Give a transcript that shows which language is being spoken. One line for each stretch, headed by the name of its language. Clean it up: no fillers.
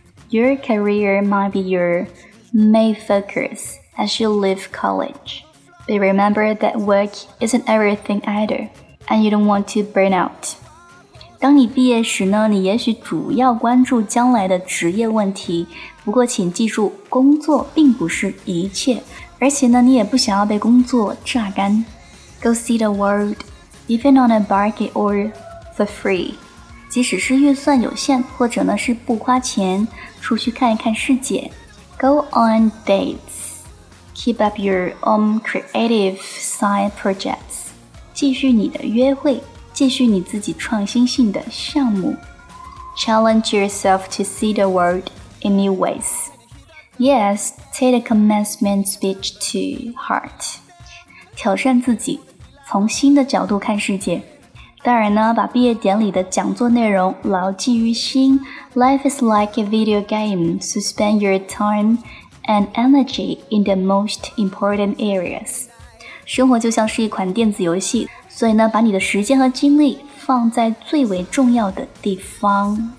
English: Your career might be your main focus as you leave college, but remember that work isn't everything either, and you don't want to burn out.
Chinese: 当你毕业时呢，你也许主要关注将来的职业问题，不过请记住，工作并不是一切，而且呢，你也不想要被工作榨干。
English: Go see the world, even on a bargain or for free.
Chinese: 即使是预算有限，或者呢是不花钱，出去看一看世界。
English: Go on dates, keep up your own creative side projects.
Chinese: 继续你的约会，继续你自己创新性的项目。
English: Challenge yourself to see the world in new ways. Yes, take the commencement speech to heart.
Chinese: 挑战自己，从新的角度看世界。当然呢，把毕业典礼的讲座内容牢记于心。
English: Life is like a video game, so spend your time and energy in the most important areas.
Chinese: 生活就像是一款电子游戏，所以呢，把你的时间和精力放在最为重要的地方。